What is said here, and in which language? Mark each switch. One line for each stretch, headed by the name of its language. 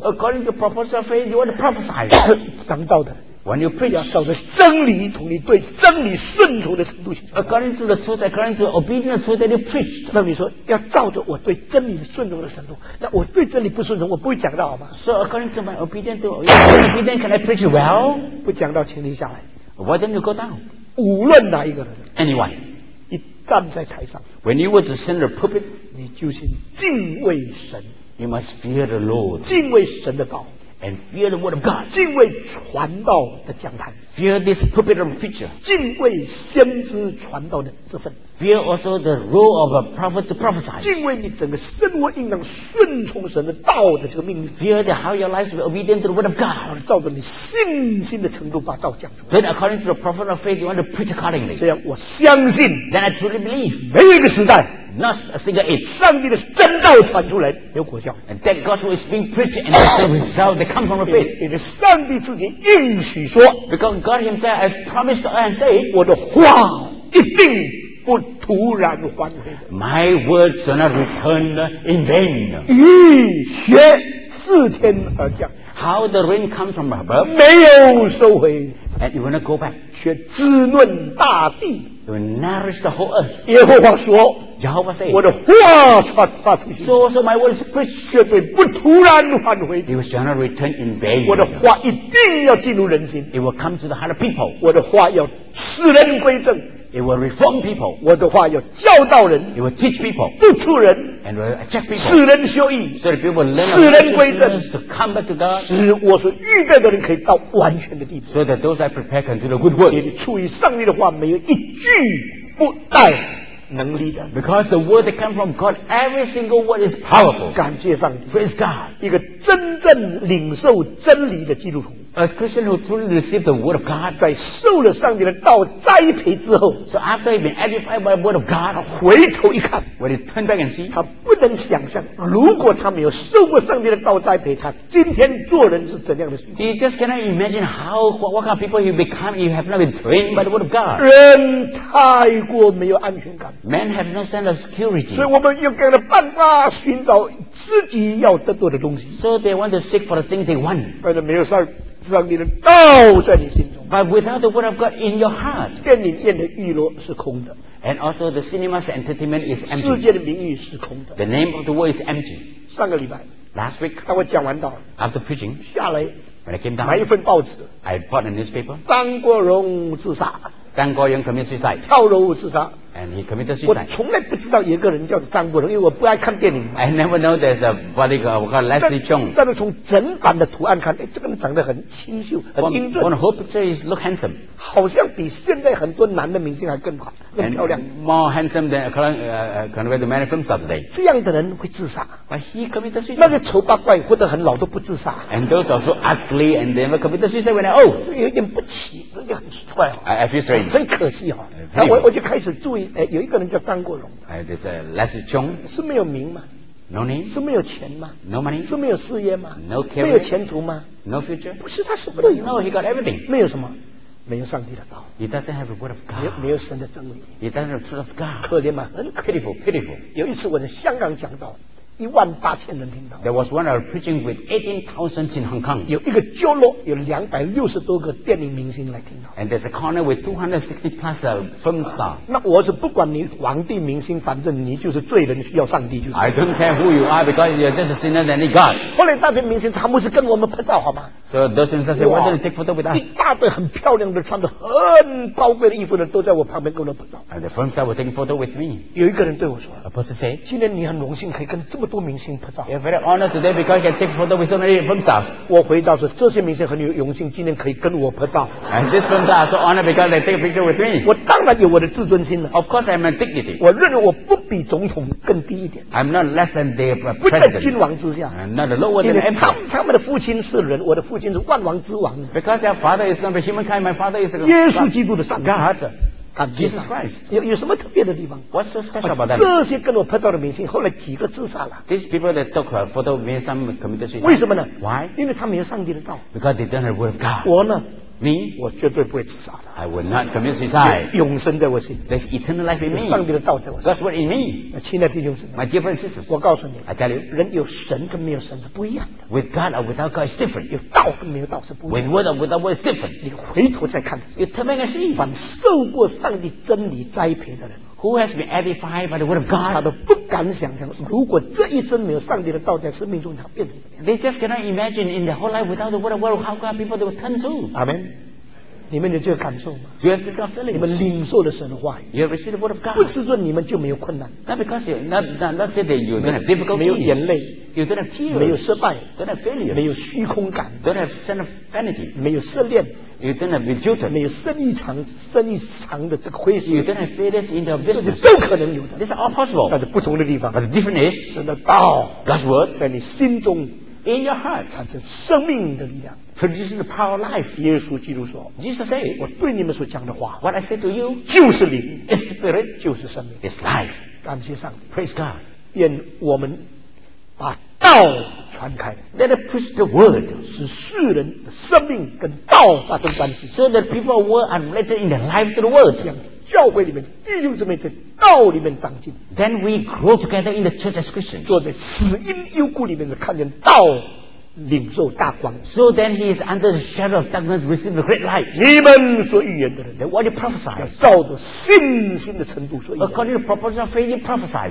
English: According to proportion of faith You want to prophesy
Chinese: 讲道的人
English: When you preach
Chinese: 要照着真理同你对真理顺从的程度
English: According to the truth According to the obedient truth That you preach
Chinese: 那你说要照着我对真理的顺从的程度那我对真理不顺从我不会讲道好吗
English: So according to my obedient to your obedient Can I preach well
Chinese: 不讲道请你下来
English: Why don't you go down
Chinese: 无论哪一个人
English: Anyone
Chinese: 站在台上
English: When you were to send a pulpit
Chinese: 你就先敬畏神
English: You must fear the Lord
Chinese: 敬畏神的道
English: And fear the word of God
Chinese: 敬畏传道的讲坛
English: Fear this pulpit of preacher
Chinese: 敬畏先知传道的职分
English: Fear also the role of a prophet to prophesy
Chinese: 敬畏你整个生活应当顺从神的道的这个命令
English: Fear the how your life should be obedient to the word of God
Chinese: 照着你信心的程度把道讲出来
English: Then according to the prophet of faith you want to preach accordingly
Chinese: 这样我相信
English: Then I truly believe
Chinese: 没有一个时代
English: Not a single age
Chinese: 上帝的真道传出来有果效
English: And that gospel is being preached and that's the result that come from the faith
Chinese: 因为上帝自己应许说
English: Because God himself has promised and said
Chinese: 我的话一定不突然还回的
English: My words shall not return in vain
Chinese: 雨歇自天而降
English: How the rain comes from above
Chinese: 没有收回
English: And you will not go back
Chinese: 却滋润大地
English: It will nourish the whole earth
Chinese: 耶和华说
English: Jehovah says
Chinese: 我的话发出去
English: So also my words preach
Chinese: 却对不突然还回
English: It shall not return in vain
Chinese: 我的话一定要进入人心
English: It will come to the heart of people
Chinese: 我的话要使人归正
English: It will reform people.
Chinese: 我的话要教导人
English: It will teach people.
Chinese: 督促人
English: And will attract people.
Chinese: 使人修义
English: So that people learn
Chinese: 使人归正
English: To come back to God.
Chinese: 使我所预备的人可以到完全的地步
English: So that those I prepare can do the good work.
Chinese: 你出于上帝的话没有一句不带能力的
English: Because the word that comes from God, every single word is powerful.
Chinese: 感谢上帝
English: Praise God.
Chinese: 一个真正领受真理的基督徒
English: A Christian who truly received the word of God,
Chinese: 在受了上帝的道栽培之后
English: ，so after he been edified by the word of God，
Chinese: 他回头一看
English: ，when he turned back and see，
Chinese: 他不能想象，如果他没有受过上帝的道栽培，他今天做人是怎样的事
English: ？He just cannot imagine how what kind of people he become if he have not been trained by the word of God。
Chinese: 人太过没有安全感
English: ，man have no sense of security。
Chinese: 所以我们用各样的办法寻找自己要得到的东西。
English: So they want to seek for the thing they want。
Chinese: 但是没有上。让你的道在你心中
English: But without the word of God in your heart
Chinese: 电影院的娱乐是空的
English: And also the cinema's entertainment is empty
Chinese: 世界的名誉是空的
English: The name of the world is empty
Chinese: 上个礼拜
English: Last week
Chinese: 当我讲完道
English: After preaching
Chinese: 下来
English: When I came down
Chinese: 买一份报纸
English: I bought a newspaper
Chinese: 张国荣自杀
English: 张国荣 commit suicide
Chinese: 跳楼自杀
English: And he committed suicide
Chinese: 我从来不知道有个人叫张国荣因为我不爱看电影
English: I never know there's a bodyguard called Leslie Cheung
Chinese: 但是从整版的图案看、哎、这个人长得很清秀很英俊
English: on the whole picture is look handsome
Chinese: 好像比现在很多男的明星还更好更漂亮
English: And more handsome than compared to many films of the day
Chinese: 这样的人会自杀
English: But he committed suicide
Chinese: 那个丑八怪活得很老都不自杀
English: And those are so ugly and they never committed suicide when they're old
Chinese: 有点不起有点很奇怪
English: I feel strange
Chinese: 很可惜哈、哦，那我就开始注意，哎，有一个人叫张国荣，哎，这是 Leslie Cheung，是没有名吗
English: ？No name，
Chinese: 是没有钱吗
English: ？No money，
Chinese: 是没有事业吗
English: ？No career，
Chinese: 没有前途吗
English: ？No future，
Chinese: 不是他什么都有
English: ，No he got everything，
Chinese: 没有什么，没有上帝的道
English: ，He doesn't have the word of God，
Chinese: 没有神的真理
English: ，He doesn't have the truth of God，
Chinese: 可怜吗？很
English: pitiful， pitiful。
Chinese: 有一次我在香港讲道，18,000人听到
English: ，There was one I was preaching with 18,000 in Hong Kong。
Chinese: 有一个角落有260多个电影明星来听到
English: ，And there's a corner with 260+ film star。
Chinese: 那我是不管你皇帝明星，反正你就是罪人，需要上帝就是。
English: I don't care who you are because you're just a sinner that need God。
Chinese: 后来那些明星，他们是跟我们拍照好吗
English: ？So those ones say, "Why don't you take photo with us?"
Chinese: 一大堆很漂亮的，穿着很高贵的衣服的，都在我旁边跟我们拍照。
English: And the film star was taking photo with me。
Chinese: 有一个人对我说
English: ，A person say，
Chinese: 今天你很荣幸可以跟这么多明星拍照
English: You're very honored today because you can take photo with so many film stars
Chinese: 我回答说这些明星很有荣幸今天可以跟我拍照
English: And this film star is so honored because they take a picture with me
Chinese: 我当然有我的自尊心了
English: Of course I have my dignity
Chinese: 我认为我不比总统更低一点
English: I'm not less than the president
Chinese: 不在君王之下
English: I'm not lower than the emperor
Chinese: 他们的父亲是人我的父亲是万王之王
English: Because their father is going to be humankind My father is
Chinese: God 耶稣基督的上帝
English: God Jesus Christ
Chinese: 有什么特别的地方
English: What's so special about that
Chinese: 这些跟我拍照的明星后来几个自杀了
English: These people that took a photo made some committed suicide
Chinese: 为什么呢
English: Why
Chinese: 因为他没有上帝的道
English: Because they don't have the word of God
Chinese: 我呢
English: Me
Chinese: 我绝对不会自杀的
English: I will not commit suicide
Chinese: 永生在我心
English: There's eternal life in me
Chinese: 上帝的道在我心
English: That's what in me
Chinese: 亲爱的弟兄姊妹
English: My dear brothers and sisters
Chinese: 我告诉你
English: I tell you
Chinese: 人有神跟没有神是不一样的
English: With God or without God is different
Chinese: 有道跟没有道是不一样的
English: With word or without word is different
Chinese: 你回头再看
English: You turn back and see
Chinese: 凡受过上帝真理栽培的人
English: Who has been edified by the word of God
Chinese: 他都不敢想象如果这一生没有上帝的道在生命中他变成什么样
English: They just cannot imagine in their whole life without the word of God how God people will turn to
Chinese: Amen你们有这个感受吗
English: you have this kind of feeling.
Chinese: 你们领受了神的话
English: you have received the word of God.
Chinese: 不是说你们就没有困难
English: not because you, not say that you don't have difficulties
Chinese: 没有眼泪
English: you don't have tears
Chinese: 没有失败
English: don't have failures
Chinese: 没有虚空感
English: don't have sense of vanity
Chinese: 没有失恋
English: you don't have rejection
Chinese: 没有生意场的这个亏损
English: you don't have failures in your business
Chinese: 这些都可能有的
English: this is all possible
Chinese: 但是不同的地方
English: but the difference is
Chinese: 神的道
English: God's word
Chinese: 在你心中
English: in your heart
Chinese: 产生生命的力量
English: Produces the power of life.
Chinese: 耶稣基督说
English: Jesus said,
Chinese: 我对你们所讲的话
English: What I said to you
Chinese: 就是灵
English: Is spirit
Chinese: 就是生命
English: Is life
Chinese: 感谢上帝
English: Praise God
Chinese: 愿我们把道传开
English: Let us push the word
Chinese: 使世人的生命跟道发生关系
English: So that people of world are related in their life to the word
Chinese: 这样教会里面弟兄姊妹在道里面长进
English: Then we grow together in the church as Christians
Chinese: 坐在死荫幽谷里面看见道领受大光
English: So then he is under the shadow of darkness receiving the great light
Chinese: 你们所预言的人
English: Then what do you prophesy
Chinese: 要照着信心的程度所预言
English: According to the proportion of faith you prophesy